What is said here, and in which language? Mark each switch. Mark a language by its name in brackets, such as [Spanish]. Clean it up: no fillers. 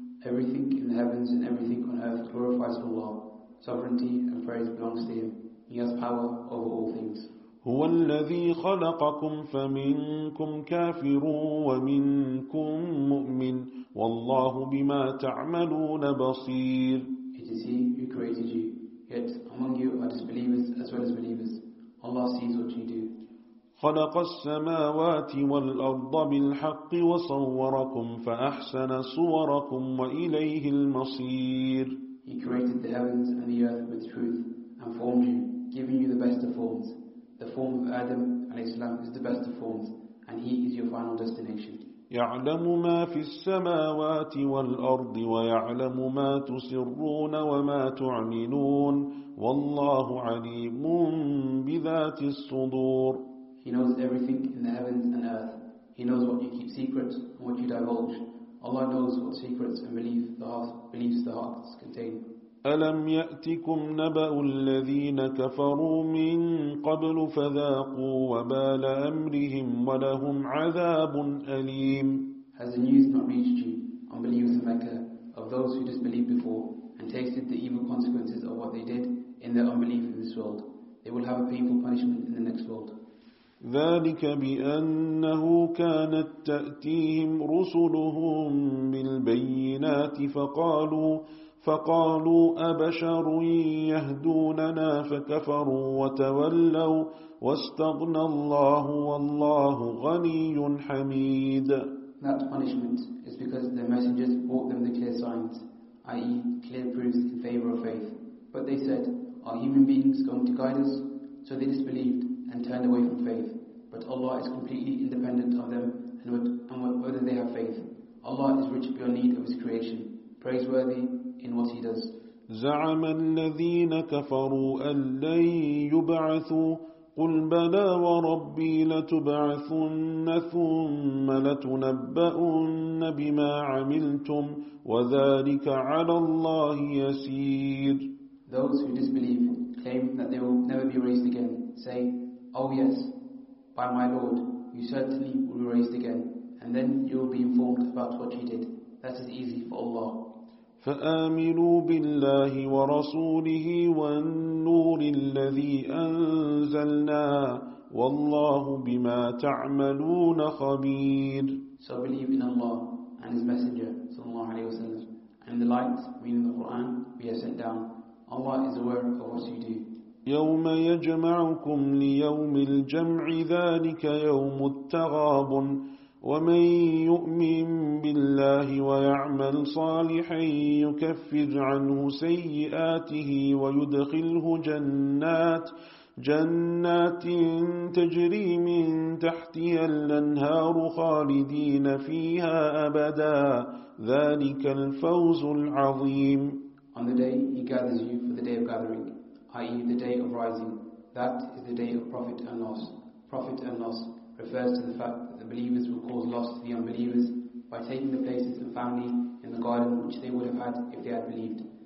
[English] Everything in the heavens and everything on earth glorifies Allah. Sovereignty and praise belongs to Him. He has power over all things. [Arabic] هو الذي خلقكم فمنكم كافر ومنكم مؤمن والله بما تعملون بصير. [English] It is He who created you. Yet among you are disbelievers as well as believers. Allah sees what you do. [Arabic] خلق السماوات والأرض بالحق وصوركم فأحسن صوركم وإليه المصير. [English] He created the heavens and the earth with truth and formed you, giving you the best of forms. The form of Adam a.s. is the best of forms, and he is your final destination. [Arabic] يعلم ما في السماوات والأرض ويعلم ما تسرون وما تعلنون والله عليم بذات الصدور. [English] He knows everything in the heavens and earth. He knows what you keep secret and what you divulge. Allah knows what secrets and beliefs the hearts contain. [Arabic] ألم يأتكم نبأ الذين كفروا من قبل فذاقوا وبال أمرهم ولهم عذاب أليم. [English] Has the news not reached you, unbelievers of Mecca, of those who disbelieved before and tasted the evil consequences of what they did in their unbelief in this world? They will have a painful punishment in the next world. [Arabic] ذلك بأنه كانت تأتيهم رسلهم بالبينات فقالوا أبشر يهدوننا فكفروا وتولوا واستغنى الله والله غني حميد. [English] That punishment is because their messengers brought them the clear signs, i.e. clear proofs in favor of faith. But they said, are human beings going to guide us? So they disbelieved and turned away from faith. But Allah is completely independent of them and whether they have faith. Allah is rich beyond need of His creation, praiseworthy in what He does. [Arabic] زعم الذين كفروا أن لن يبعثوا قل بلى وربي لتبعثن ثم لتنبؤن بما عملتم وذلك على الله يسير. [English] Those who disbelieve claim that they will never be raised again. Say, oh yes, by my Lord, you certainly will be raised again, and then you will be informed about what you did. That is easy for Allah. [Arabic] فآمنوا بالله ورسوله والنور الذي أنزلنا والله بما تعملون خبير. [English] So believe in Allah and His Messenger [Arabic] صلى الله عليه وسلم [English] and the light, meaning the Quran, we have sent down. Allah is aware of what you do. [Arabic] يوم يجمعكم ليوم الجمع ذلك يوم التغابن ومن يؤمن بالله ويعمل صالحا يكفر عنه سيئاته ويدخله جنات تجري من تحتها الأنهار خالدين فيها أبدا ذلك الفوز العظيم. [English] On the day He gathers you for the day of gathering, i.e. the day of rising, that is the day of profit and loss. Profit and loss refers to the fact that the believers will cause loss to the unbelievers by taking the places of family in the garden which they would have had if they had believed.